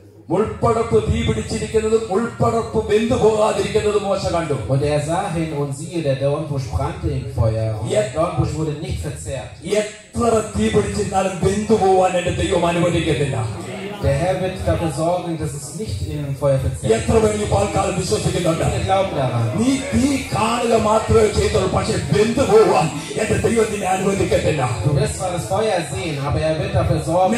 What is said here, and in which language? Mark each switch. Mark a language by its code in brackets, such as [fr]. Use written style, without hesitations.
[ml] മുൾപടപ്പ് തീ പിടിച്ചിരിക്കുന്നതും മുൾപടപ്പ് വെന്തു പോകാതിരിക്കുന്നതും മോശ കണ്ടു. [de] Und er sah hin und siehe, der Dornbusch brannte im Feuer. Der Dornbusch wurde nicht verzehrt. [ml] എത്ര തീ പിടിച്ചിരുന്നാലും വെന്തു പോവാൻ എന്റെ ദൈവം അനുവദിക്കത്തില്ല. [de] Der Herr wird dafür sorgen, dass es nicht in Feuer verzehrt wird. Du wirst zwar das Feuer sehen, aber er wird dafür sorgen,